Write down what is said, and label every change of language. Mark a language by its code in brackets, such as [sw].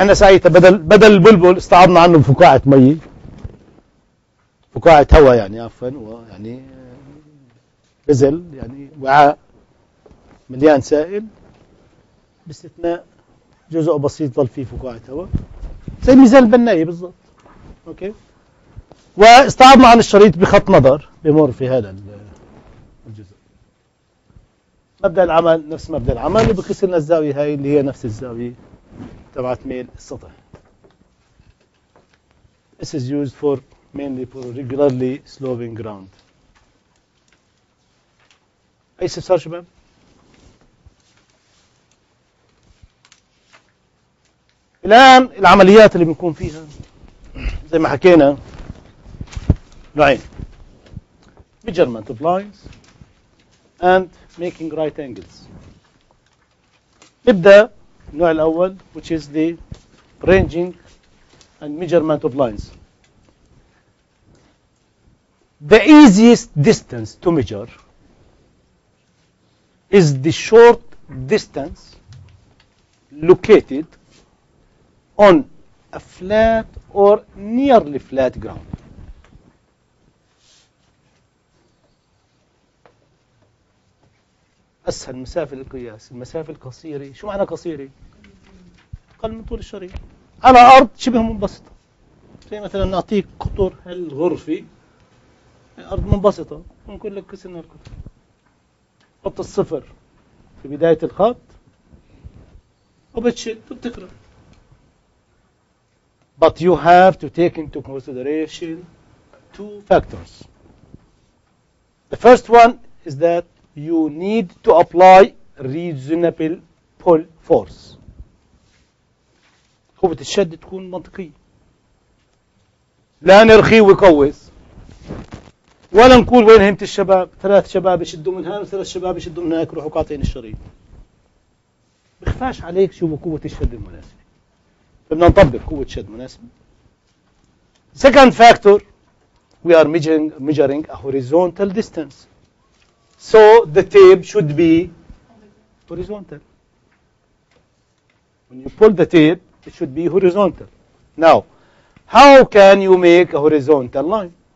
[ar] احنا ساعتها بدل البلبل استعرضنا عنه فقاعه مي، فقاعه هواء يعني عفوا، يعني بزل يعني وعاء مليان سائل باستثناء جزء بسيط ظل فيه فقاعه هواء زي ميزان البنايه بالضبط. اوكي، واستعرضنا عن الشريط بخط نظر بمر في هذا مبدأ العمل نفس مبدأ العمل اللي بقيس لنا الزاوية هاي اللي هي نفس الزاوية تبعت ميل السطح. [en] This is used for mainly for regularly sloping ground. [ar] أي استفسار شباب؟ الآن العمليات اللي بنكون فيها زي ما حكينا نوعين، [en] measurement of lines and making right angles. [ar] نبدأ النوع الأول [en] which is the ranging and measurement of lines. The easiest distance to measure is the short distance located on a flat or nearly flat ground. [ar] أسهل مسافة للقياس، المسافة القصيرة، شو معنى قصيرة؟ أقل من طول الشريط، على أرض شبه منبسطة. زي مثلا نعطيك قطر هالغرفة، الأرض منبسطة، ونقول لك كسرنا القطر. حط الصفر في بداية الخط وبتشد وبتكرر. [en] But you have to take into consideration two factors. The first one is that you need to apply reasonable pull force. [ar] قوة الشد تكون منطقية. لا نرخي ويقوس. ولا نقول وين همت الشباب؟ ثلاث شباب يشدوا من هنا وثلاث شباب يشدوا من هناك يروحوا قاطعين الشريط. بخفاش عليك شو قوة الشد المناسبة. فبدنا نطبق قوة شد مناسبة. [en] Second factor, we are measuring a horizontal distance. So the tape should be horizontal. When you pull the tape, it should be horizontal. Now, how can you make a horizontal line?